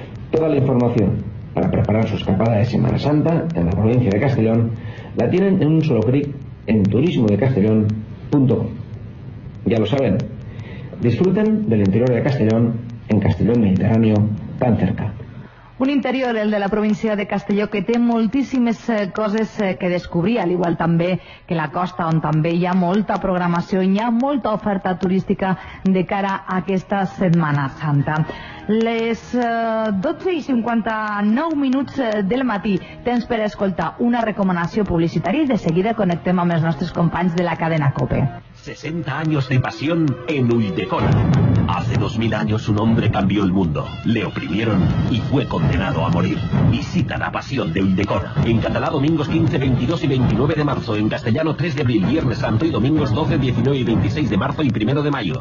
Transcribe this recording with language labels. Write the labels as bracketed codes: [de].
[es] Toda la información para preparar su escapada de Semana Santa en la provincia de Castellón la tienen en un solo clic en turismodecastellón.com. Ya lo saben, disfruten del interior de Castellón en Castellón Mediterráneo tan cerca. [ca] Un interior, el de la província de Castelló, que té moltíssimes coses que descobrir, al igual també que la costa, on també hi ha molta programació i hi ha molta oferta turística de cara a aquesta Setmana Santa. Les 12:59 del matí, temps per escoltar una recomanació publicitària i de seguida connectem amb els nostres companys de la cadena COPE. [es] 60 años de pasión en Ulldecona. Hace 2000 años un hombre cambió el mundo, le oprimieron y fue condenado a morir. Visita la pasión de Ulldecona. En catalá domingos 15, 22 y 29 de marzo, en castellano 3 de abril, viernes santo y domingos 12, 19 y 26 de marzo y 1 de mayo.